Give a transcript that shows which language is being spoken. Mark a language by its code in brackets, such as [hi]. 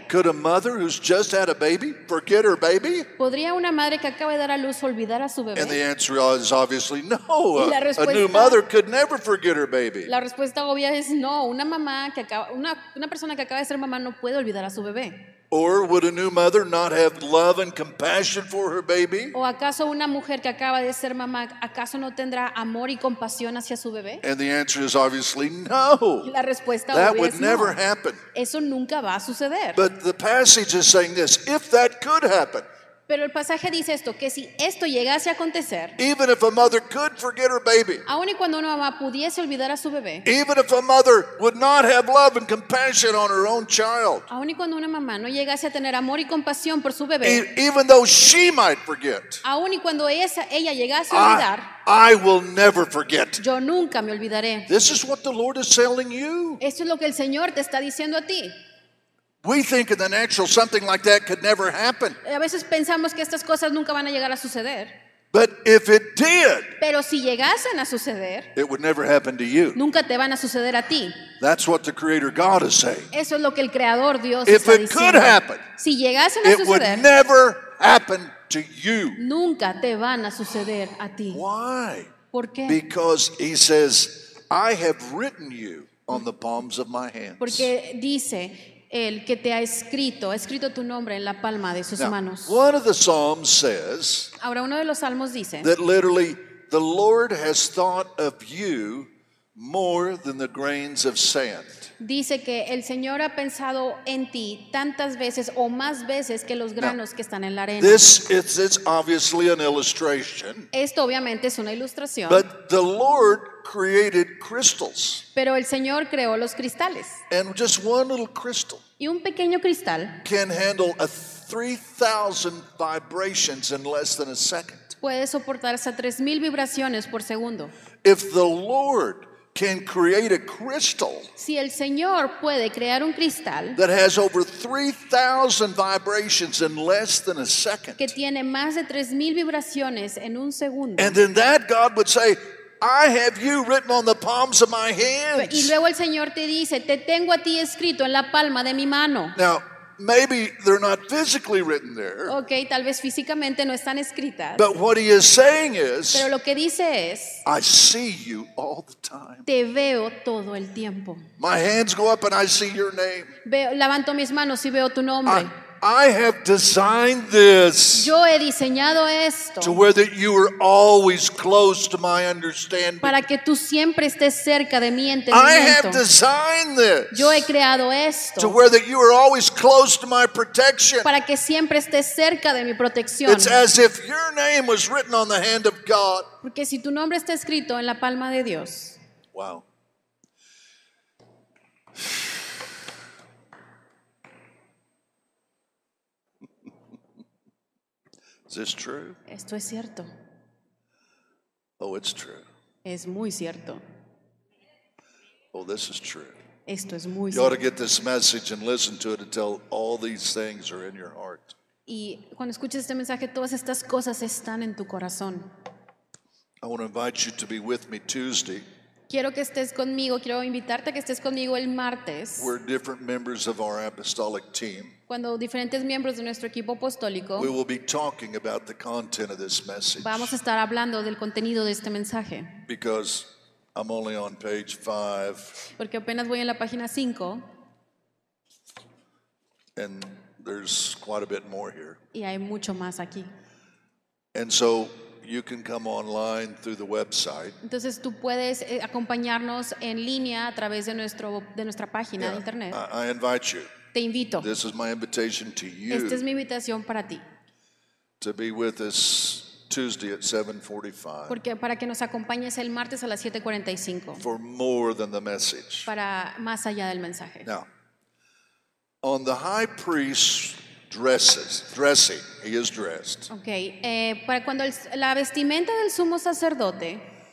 [en] Could a mother who's just had a baby forget her baby? [es] ¿Podría una madre que acaba de dar a luz olvidar a su bebé? [en] And the answer is obviously no. A new mother could never forget her baby. [es] La respuesta obvia es no. Una mamá que acaba, una persona que acaba de ser mamá no puede olvidar a su bebé. [en] Or would a new mother not have love and compassion for her baby? [es] ¿O acaso una mujer que acaba de ser mamá acaso no tendrá amor y compasión hacia su bebé? [en] And the answer is obviously no. [es] La respuesta obvia es no. [en] That would never [es] no. [en] happen. [es] Eso nunca va a suceder. [en] But the passage is saying this, if that could happen. [es] Pero el pasaje dice esto, que si esto llegase a acontecer, [en] even if a mother could forget her baby, [es] aun y cuando una mamá pudiese olvidar a su bebé, [en] even if a mother would not have love and compassion on her own child, [es] aun y cuando una mamá no llegase a tener amor y compasión por su bebé, [en] even though she might forget, [es] aun y cuando ella llegase a olvidar, [en] I will never forget. [es] Yo nunca me olvidaré. [en] This is what the Lord is telling you. [es] Esto es lo que el Señor te está diciendo a ti. [en] We think in the natural something like that could never happen. [es] A veces pensamos que estas cosas nunca van a llegar a suceder. [en] But if it did, [es] pero si llegasen a suceder, [en] it would never happen to you. [es] Nunca te van a suceder a ti. [en] That's what the Creator God is saying. [es] Eso es lo que el Creador Dios está diciendo. [en] If it could happen, [es] si llegasen a suceder, [en] it would never happen to you. [es] Nunca te van a suceder a ti. [en] Why? [es] ¿Por qué? [en] Because he says, I have written you on the palms of my hands. [es] Porque dice, el que te ha escrito tu nombre en la palma de sus [en] now, [es] manos. [en] One of the Psalms says, [es] ahora uno de los salmos dice, [en] that literally the Lord has thought of you more than the grains of sand. [es] Dice que el Señor ha pensado en ti tantas veces o más veces que los granos [en] now, [es] que están en la arena. [en] This is obviously an illustration. [es] Esto obviamente es una ilustración. [en] But the Lord created crystals. [es] Pero el Señor creó los cristales. [en] And just one little crystal [es] y un pequeño cristal [en] can handle a 3,000 vibrations in less than a second. [es] Puede soportar hasta 3,000 vibraciones por segundo. [en] If the Lord can create a crystal, [es] si el Señor puede crear un cristal [en] that has over 3,000 vibrations in less than a second, [es] que tiene más de 3,000 vibraciones en un segundo, [en] and then that God would say, I have you written on the palms of my hands. [es] Y luego el Señor te dice, te tengo a ti escrito en la palma de mi mano. [en] Now, maybe they're not physically written there. [es] Okay, tal vez físicamente no están escritas. [en] But what he is saying is, [es] pero lo que dice es, [en] I see you all the time. [es] Te veo todo el tiempo. [en] My hands go up and I see your name. [es] Veo, levanto mis manos y veo tu nombre. [en] I have designed this. [es] Yo he diseñado esto. [en] To where that you are always close to my understanding. [es] Para que tú siempre estés cerca de mi entendimiento. [en] I have designed this. [es] Yo he creado esto. [en] To where that you are always close to my protection. [es] Para que siempre estés cerca de mi protección. [en] It's as if your name was written on the hand of God. [es] Porque si tu nombre está escrito en la palma de Dios. [en] Wow. Is this true? [es] Esto es cierto. [en] Oh, it's true. [es] Es muy cierto. [en] Oh, this is true. [es] Esto es muy cierto. [en] You ought to get this message and listen to it until all these things are in your heart. [es] Y cuando escuches este mensaje, todas estas cosas están en tu corazón. I want to invite you to be with me Tuesday. Quiero que estés conmigo. Quiero invitarte a que estés conmigo el martes. [en] We're different members of our apostolic team. [es] Cuando diferentes miembros de nuestro equipo apostólico, [en] we will be talking about the content of this message. [es] Vamos a estar hablando del contenido de este mensaje. [en] Because I'm only on page 5. [es] Porque apenas voy en la página 5. [en] And there's quite a bit more here. [es] Y hay mucho más aquí. [en] And so you can come online through the website. [es] Entonces tú puedes acompañarnos en línea a través de nuestro de nuestra página de internet. [en] I invite you. [es] Te invito. [en] This is my invitation to you. [es] Esta es mi invitación para ti. [en] To be with us Tuesday at 7:45. [es] Porque para que nos acompañes el martes a las 7:45. [en] For more than the message. [es] Para más allá del mensaje. [en] Now, on the high priest dressing, he is dressed. [es] Okay, para cuando la vestimenta del sumo sacerdote.